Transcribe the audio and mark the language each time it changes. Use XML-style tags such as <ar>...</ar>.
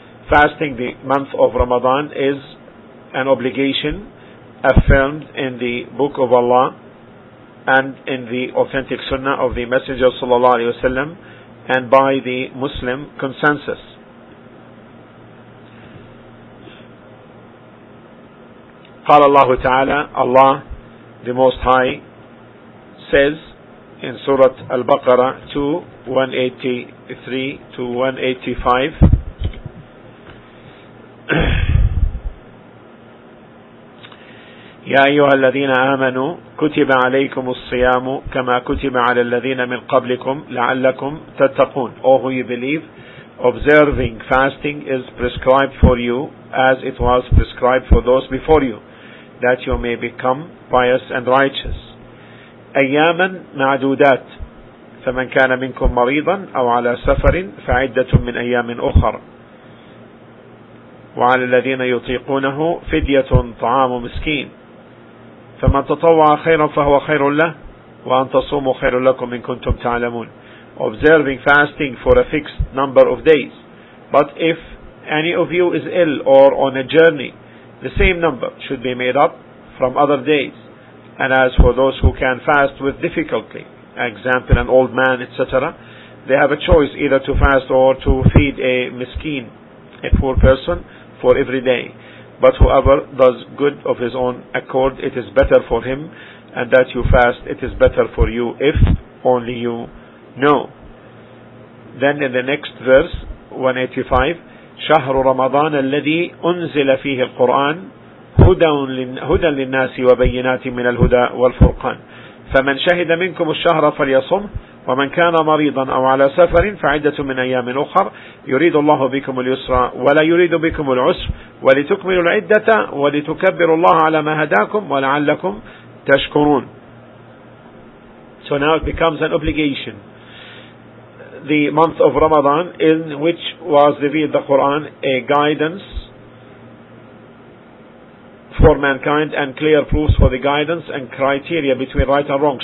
<en>Fasting the month of Ramadan is an obligation affirmed in the Book of Allah and in the authentic Sunnah of the Messenger sallallahu alaihi wasallam, and by the Muslim consensus.</en> <ar>قال الله تعالى,</ar> <en>Allah the Most High says in Surah Al-Baqarah 2:183-185,</en> <ar>يَا أَيُّهَا الَّذِينَ آمَنُوا كُتِبَ عَلَيْكُمُ الصِّيَامُ كَمَا كُتِبَ عَلَى الَّذِينَ مِنْ قَبْلِكُمْ لَعَلَّكُمْ تَتَّقُونَ.</ar> <en>All who you believe, observing fasting is prescribed for you as it was prescribed for those before you, that you may become pious and righteous.</en> <ar>أياما معدودات, فمن كان منكم مريضا أو على سفر فعدة من أيام أخر, وعلى الذين يطيقونه فدية طعام مسكين, فمن تطوع خيرا فهو خير له, وأن تصوموا خير لكم إن كنتم تعلمون.</ar> <en>Observing fasting for a fixed number of days, but if any of you is ill or on a journey, the same number should be made up from other days. And as for those who can fast with difficulty, example an old man, etc., they have a choice either to fast or to feed a miskeen, a poor person, for every day. But whoever does good of his own accord, it is better for him, and that you fast, it is better for you, if only you know. Then in the next verse, 185,</en> <ar>شهر رمضان الذي أنزل فيه القرآن هدى للناس وبينات من الهدى والفرقان, فمن شهد منكم الشهر فليصم, ومن كان مريضا أو على سفر فعدة من أيام أخر, يريد الله بكم اليسر ولا يريد بكم العسر, ولتكملوا العدة ولتكبروا الله على ما هداكم ولعلكم تشكرون.</ar> <en>So now it becomes an obligation. The month of Ramadan, in which was revealed the Quran, a guidance for mankind and clear proofs for the guidance and criteria between right and wrong.</en>